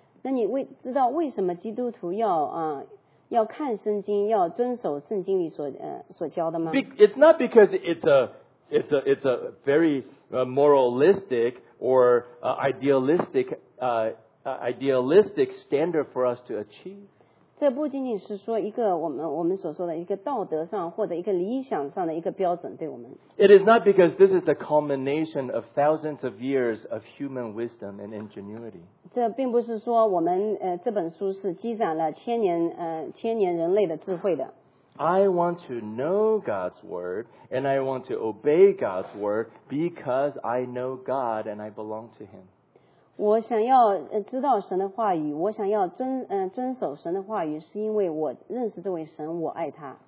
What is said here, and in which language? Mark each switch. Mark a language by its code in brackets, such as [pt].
[zh] 那你知道为什么基督徒要要看圣经，要遵守圣经里所教的吗？ [en] It's not because it's a very moralistic or idealistic standard for us to achieve. [zh] 这不仅仅是说一个我们所说的一个道德上或者一个理想上的一个标准对我们。 [en] It is not because this is the culmination of thousands of years of human wisdom and ingenuity. [zh] 这并不是说我们这本书是积攒了千年人类的智慧的。 [en] I want to know God's word and I want to obey God's word because I know God and I belong to Him. [zh] 我想要知道神的话语，我想要遵守神的话语，是因为我认识这位神，我爱他。